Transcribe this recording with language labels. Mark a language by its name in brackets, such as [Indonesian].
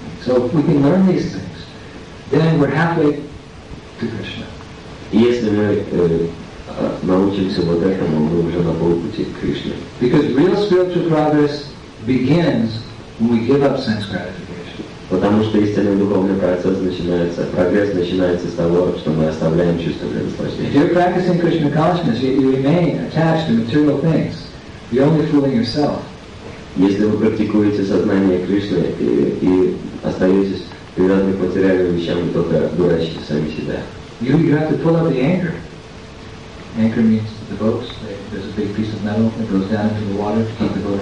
[English] So if we can learn these things, then we're halfway to Krishna. [Russian] Если мы научимся вот этому, мы уже на полпути к Кришне. [English] Because real spiritual progress begins when we give up sense gratification. [Russian] Потому что истинный духовный процесс начинается, прогресс начинается с того, что мы оставляем чувство для наслаждения. [English] If you're practicing Krishna consciousness, you remain attached to material things. You're only fooling yourself. [Russian] Если вы практикуете сознание Кришны и остаетесь привязанным к материальным вещам, только дурачите сами себя. [English] You have to pull up the anchor. Anchor means the boats. There's a big piece of metal that goes down into the water to keep the boat